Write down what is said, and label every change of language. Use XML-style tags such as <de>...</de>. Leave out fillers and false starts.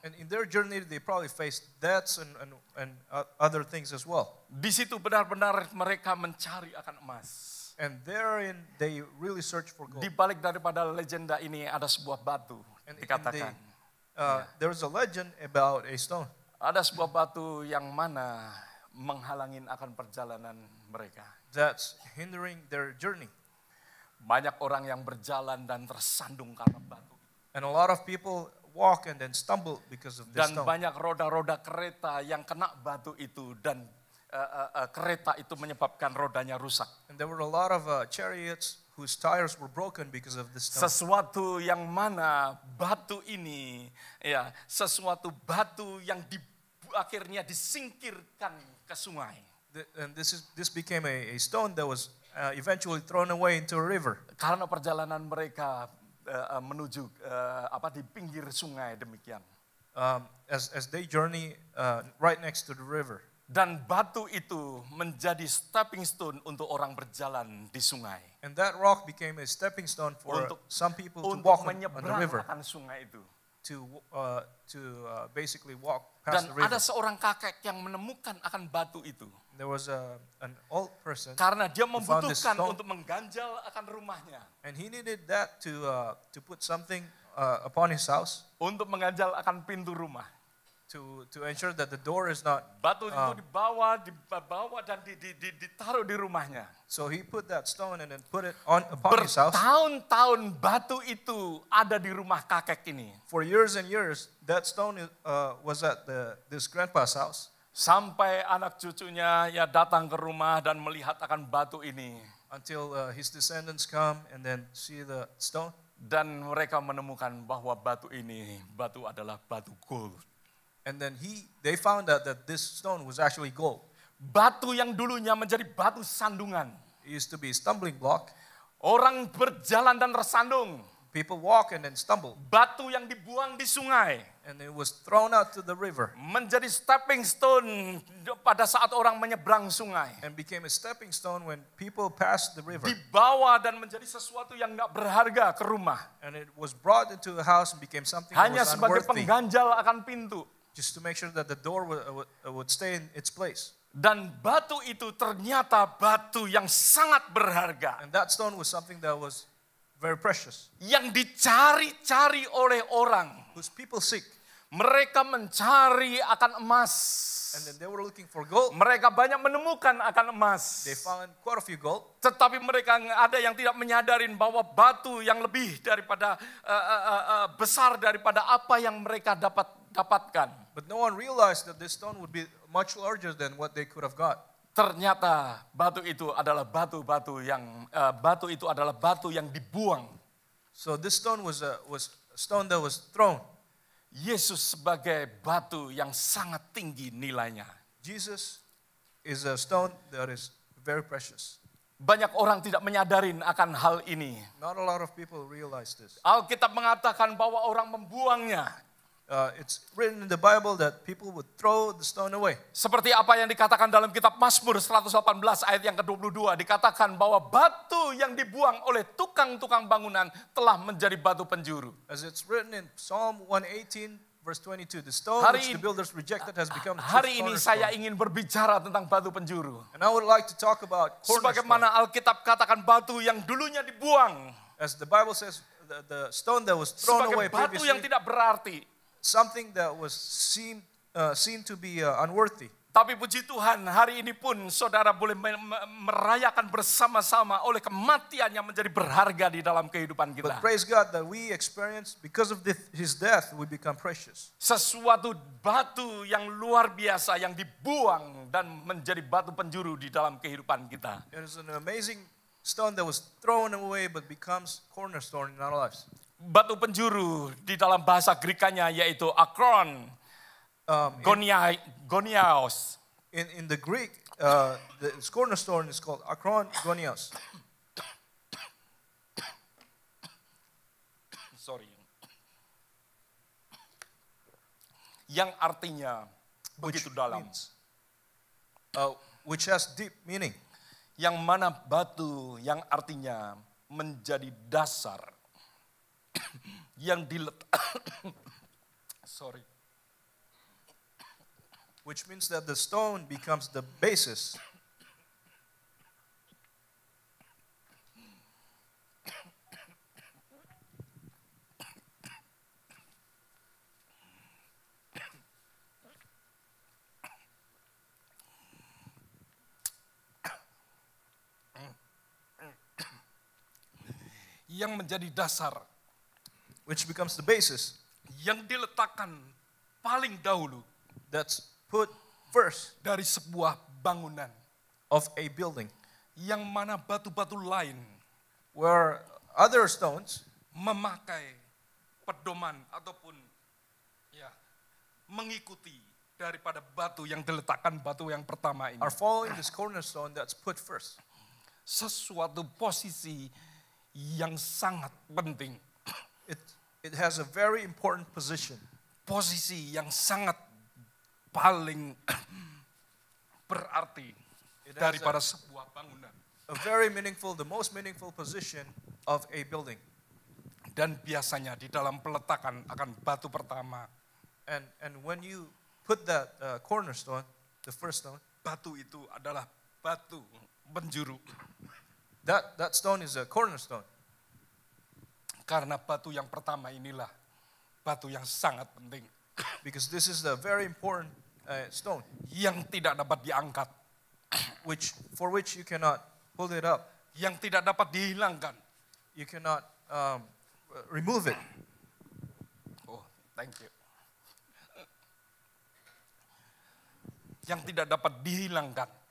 <en>And in their journey, they probably faced deaths and other things as well.</en> <id>Di situ benar-benar mereka mencari akan emas.</id> <en>And therein, they really search for gold.</en> <id>Di balik daripada legenda ini ada sebuah batu dikatakan.</id> <en>There is a legend about a stone.</en> <id>Ada sebuah batu yang mana menghalangin akan perjalanan mereka.</id> <en>That's hindering their journey.</en> <id>Banyak orang yang berjalan dan tersandung karena batu.</id> <en>And a lot of people walk and then stumble because of this</en> <id>dan</id> <en>stone.</en> <id>Dan banyak roda-roda kereta yang kena batu itu dan kereta itu menyebabkan rodanya rusak.</id> <en>And there were a lot of chariots whose tires were broken because of the stone.</en> <id>Sesuatu yang mana batu ini, ya, sesuatu batu yang akhirnya disingkirkan ke sungai.</id> <en>This became a stone that was eventually thrown away into a river.</en> <id>Karena perjalanan mereka menuju di pinggir sungai demikian.</id> <en>As they journey right next to the river.</en> <id>Dan batu itu menjadi</id> <en>stepping stone</en> <id>untuk orang berjalan di sungai.</id> <en>And that rock became a stepping stone for</en> <id>untuk,</id> <en>some people to walk on the river.</en> <id>Akan sungai itu.</id> <en>To basically walk past</en> <id>dan</id> <en>the river.</en> <id>Dan ada seorang kakek yang menemukan akan batu itu.</id> <en>There was an old person.</en> <id>Karena dia membutuhkan untuk mengganjal akan rumahnya.</id> <en>And he needed that to put something upon his house.</en> <id>Untuk mengganjal akan pintu rumah.</id> <en>To ensure that the door is not</en> <id>batu itu dibawa dan ditaruh di rumahnya.</id> <en>So he put that stone and then put it on upon his house.</en> <id>Bertahun-tahun batu itu ada di rumah kakek ini.</id> <en>For years and years, that stone was at this grandpa's house.</en> <id>Sampai anak cucunya ya datang ke rumah dan melihat akan batu ini.</id> <en>Until his descendants come and then see the stone.</en> <id>Dan mereka menemukan bahwa batu ini batu adalah batu gold.</id> <en>And then they found out that this stone was actually gold.</en> <id>Batu yang dulunya menjadi batu sandungan.</id> <en>It used to be a stumbling block.</en> <id>Orang berjalan dan tersandung.</id> <en>People walk and then stumble.</en> <id>Batu yang dibuang di sungai.</id> <en>And it was thrown out to the river.</en> <id>Menjadi</id> <en>stepping stone</en> <id>pada saat orang menyeberang sungai.</id> <en>And became a stepping stone when people passed the river.</en> <id>Dibawa dan menjadi sesuatu yang enggak berharga ke rumah.</id> <en>And it was brought into a house and became something</en> <id>hanya</id> <en>that was unworthy.</en> <id>Hanya sebagai pengganjal akan pintu.</id> <en>Just to make sure that the door would stay in its place.</en> <id>Dan batu itu ternyata batu yang sangat berharga.</id> <en>And that stone was something that was very precious.</en> <id>Yang dicari-cari oleh orang.</id> <en>Whose people seek.</en> <id>Mereka mencari akan emas.</id> <en>And then they were looking for gold.</en> <id>Mereka banyak menemukan akan emas.</id> <en>They found quite a few gold.</en> <id>Tetapi mereka ada yang tidak menyadarin bahwa batu yang lebih daripada besar daripada apa yang mereka dapatkan.</id> <en>But no one realized that this stone would be much larger than what they could have got.</en> <id>Ternyata batu itu adalah batu-batu yang batu itu adalah batu yang dibuang.</id> <en>So this stone was a stone that was thrown.</en> <id>Yesus sebagai batu yang sangat tinggi nilainya.</id> <en>Jesus is a stone that is very precious.</en> <id>Banyak orang tidak menyadarin akan hal ini.</id> <en>Not a lot of people realize this.</en> <id>Alkitab mengatakan bahwa orang membuangnya.</id> <en>It's written in the Bible that people would throw the stone away.</en> <id>Seperti apa yang dikatakan dalam kitab Mazmur 118 ayat yang ke-22 dikatakan bahwa batu yang dibuang oleh tukang-tukang bangunan telah menjadi batu penjuru.</id> <en>As it's written in Psalm 118 verse 22, the stone which the builders rejected has become the cornerstone.</en> <id>Hari ini saya ingin berbicara tentang batu penjuru.</id> <en>And I would like to talk about cornerstone.</en> <id>Sebagaimana Alkitab katakan batu yang dulunya dibuang.</id> <en>As the Bible says, the stone that was thrown away previously.</en> <id>Sebagai batu yang tidak berarti.</id> <en>Something that was seen to be unworthy.</en> <id>Tapi puji Tuhan, hari ini pun saudara boleh merayakan bersama-sama oleh kematian yang menjadi berharga di dalam kehidupan kita.</id> <en>But praise God that we experience because of his death we become precious.</en> <id>Sesuatu batu yang luar biasa yang dibuang dan menjadi batu penjuru di dalam kehidupan kita.</id> <en>It is an amazing stone that was thrown away but becomes cornerstone in our lives.</en> <id>Batu penjuru di dalam bahasa Greek-nya yaitu akron, goniaos.</id> <en>In the Greek, the cornerstone is called akron goniaos. Sorry.</en> <id>Yang artinya begitu</id> <en>which</en> <id>dalam.</id> <en>Means, which has deep meaning.</en> <id>yang mana batu yang artinya menjadi dasar yang diletak.</id> <en>Sorry. Which means that the stone becomes the basis.</en> <id>Yang menjadi dasar,</id> <en>which becomes the basis,</en> <id>yang diletakkan paling dahulu,</id> <en>that's put first,</en> <id>dari sebuah bangunan,</id> <en>of a building,</en> <id>yang mana batu-batu lain,</id> <en>where other stones,</en> <id>memakai pedoman ataupun ya mengikuti daripada batu yang diletakkan batu yang pertama ini,</id> <en>are following this cornerstone that's put first,</en> <id>sesuatu posisi yang sangat penting.</id> <en>It has a very important position.</en> <id>Posisi yang sangat paling berarti daripada sebuah bangunan.</id> <en>A very meaningful, the most meaningful position of a building.</en> <id>Dan biasanya di dalam peletakan akan batu pertama.</id> <en>And when you put that cornerstone, the first stone,</en> <id>batu itu adalah batu penjuru.</id> <en>That stone is a cornerstone.</en> <id>Karena batu yang pertama inilah batu yang sangat penting.</id> <en>Because this is a very important stone.</en> <id>Yang tidak dapat diangkat.</id> <en>For which you cannot pull it up.</en> <id>Yang tidak dapat dihilangkan.</id> <en>You cannot remove it. Oh, thank you.</en> <id>Yang tidak dapat dihilangkan.</id>